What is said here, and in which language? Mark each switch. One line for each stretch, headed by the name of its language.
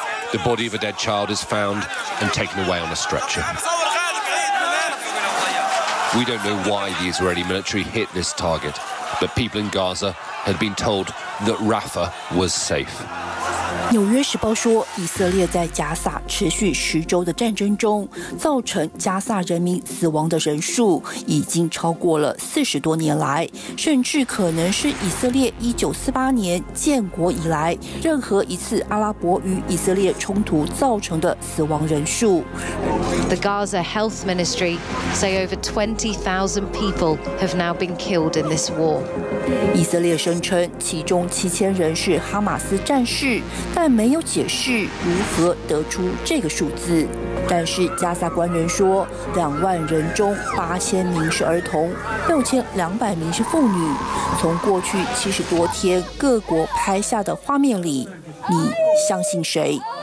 English: The body of a dead child is found and taken away on a stretcher. We don't know why the Israeli military hit this target, but people in Gaza had been told that Rafah was safe.
Chinese: 《纽约时报》说，以色列在加萨持续十周的战争中，造成加萨人民死亡的人数已经超过了四十多年来，甚至可能是以色列1948年建国以来任何一次阿拉伯与以色列冲突造成的死亡人数。
English: The Gaza Health Ministry say over 20,000 people have now been killed in this war.
Chinese: 以色列声称其中7000人是哈马斯战士，但没有解释如何得出这个数字。但是加萨官员说，20,000人中8000名是儿童，6200名是妇女。从过去70多天各国拍下的画面里，你相信谁？